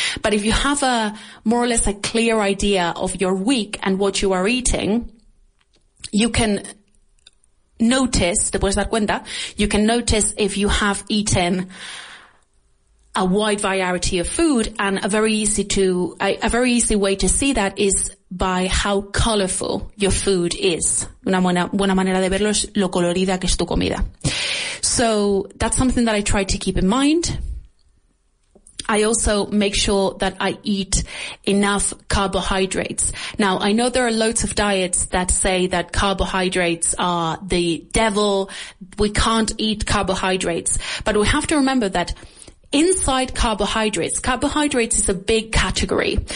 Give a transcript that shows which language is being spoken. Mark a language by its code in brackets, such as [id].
[en] But if you have a more or less a clear idea of your week and what you are eating, you can notice, [es] te puedes dar cuenta, [en] you can notice if you have eaten a wide variety of food, and a very easy way to see that is by how colorful your food is. [es] Una buena manera de verlo es lo colorida que es tu comida. [en] So that's something that I try to keep in mind. I also make sure that I eat enough carbohydrates. Now, I know there are loads of diets that say that carbohydrates are the devil. We can't eat carbohydrates, but we have to remember that inside carbohydrates is a big category.